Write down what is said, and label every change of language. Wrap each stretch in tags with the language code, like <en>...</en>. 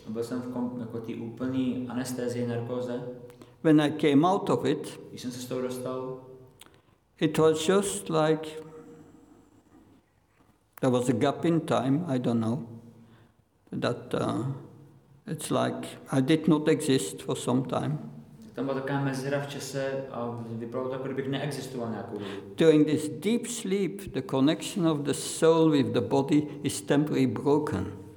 <cs>Byl jsem jako tý úplný anestezie, narkóze.</cs> <en>When I came out of it,</en> <cs>když jsem se z toho dostal,</cs> <en>it was just like there was a gap in time. I don't know that it's like I did not exist for some time.</en> <cs>Tam byla taková mezera v čase a vypadalo to, jako kdybych neexistoval nějakou.</cs> <en>During this deep sleep, the connection of the soul with the body is temporarily broken.</en>